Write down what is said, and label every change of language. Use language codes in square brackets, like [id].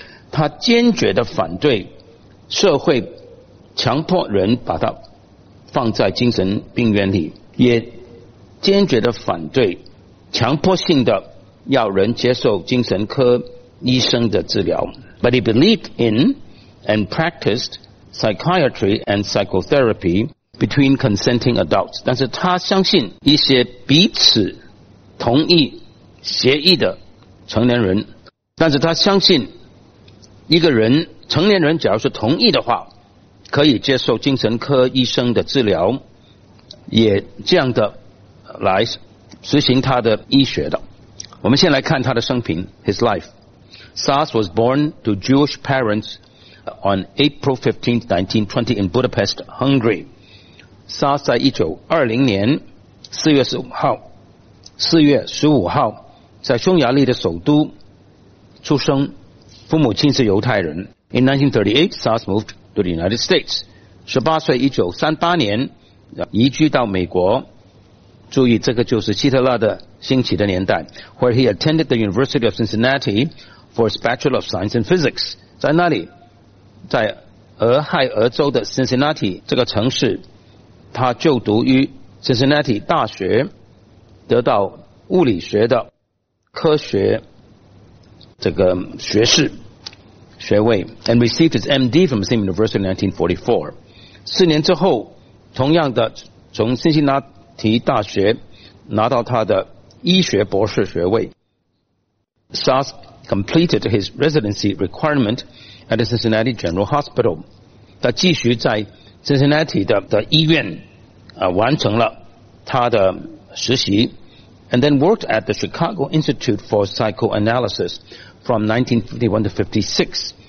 [zh] 他坚决地反对社会强迫人把他放在精神病院里，也坚决地反对强迫性的要人接受精神科医生的治疗。 [en] But he believed in and practiced psychiatry and psychotherapy between consenting adults. [zh] 但是他相信一些彼此同意协议的成年人，但是他相信一个人成年人只要是同意的话可以接受精神科医生的治疗，也这样的来实行他的医学的。我们先来看他的生平。 [en] His life. Sars was born to Jewish parents on April 15th, 1920 in Budapest, Hungary. [zh] Sars 在1920年4月15号在匈牙利的首都出生，父母亲是犹太人。 [en] In 1938, SARS moved to the United States. [zh] 18岁1938年移居到美国，注意这个就是希特勒的兴起的年代。 [en] Where he attended the University of Cincinnati for his Bachelor of Science in Physics. [zh] 在那里，在俄亥俄州的 Cincinnati 这个城市，他就读于 Cincinnati 大学，得到物理学的科学这个学士学位， [en] and received his MD from the same university in 1944. [zh] 四年之后同样的从辛辛那提大学拿到他的医学博士学位。 [en] SARS completed his residency requirement at the Cincinnati General Hospital. [zh] 他继续在 Cincinnati 的医院完成了他的实习。 [en] And then worked at the Chicago Institute for Psychoanalysis from 1951 to 56.